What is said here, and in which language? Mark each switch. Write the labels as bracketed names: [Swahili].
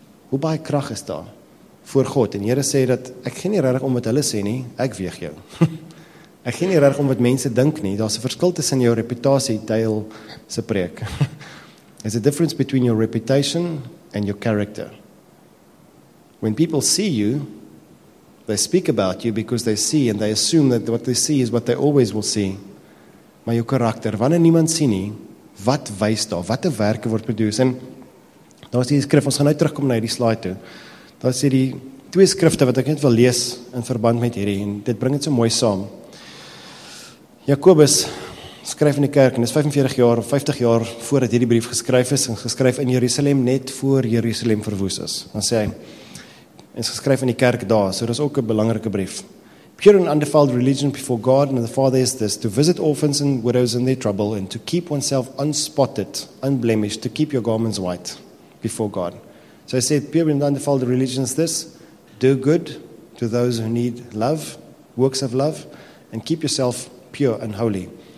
[Afrikaans] Hoe baie krag is daar voor God? En Here sê dat ek gee nie regtig om wat hulle sê nie, ek weeg jou. Ek gee nie regtig om wat mense dink nie, daar's 'n verskil tussen jou reputasie, Dale se preek. [English] There's a difference between your reputation and your character. When people see you, they speak about you because they see and they assume that what they see is what they always will see. [Afrikaans] Maar jou karakter, wanneer niemand sien nie, wat wys daar, watter werke word produce? En daar is die skrif, ons gaan nou terugkom na hierdie slide toe. Daar is hierdie twee skrifte wat ek net wil lees in verband met hierdie, en dit bring dit so mooi saam. Jakobus skryf in die kerk, en dit is 45 jaar of 50 jaar voordat hierdie brief geskryf is, en geskryf in Jerusalem, net voor Jerusalem verwoes is. Dan sê hy, en is geskryf in die kerk daar, so dit is ook 'n belangrike brief. [English] Pure and undefiled religion before God and the Father is this, to visit orphans and widows in their trouble and to keep oneself unspotted, unblemished, to keep your garments white before God. So I said, pure and undefiled religion is this, do good to those who need love, works of love, and keep yourself pure and holy.